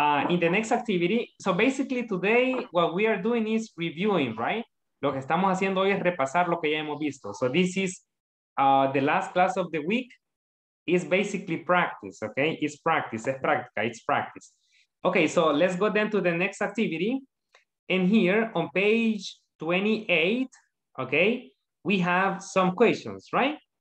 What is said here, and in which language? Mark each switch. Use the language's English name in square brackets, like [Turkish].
[English] In the next activity, so basically today what we are doing is reviewing, right? [Spanish] Lo que estamos haciendo hoy es repasar lo que ya hemos visto. [English] So this is the last class of the week. It's basically practice, okay? It's practice, [Spanish] es práctica, [English] it's practice. Okay, so let's go then to the next activity. And here on page 28, okay, we have some questions, right?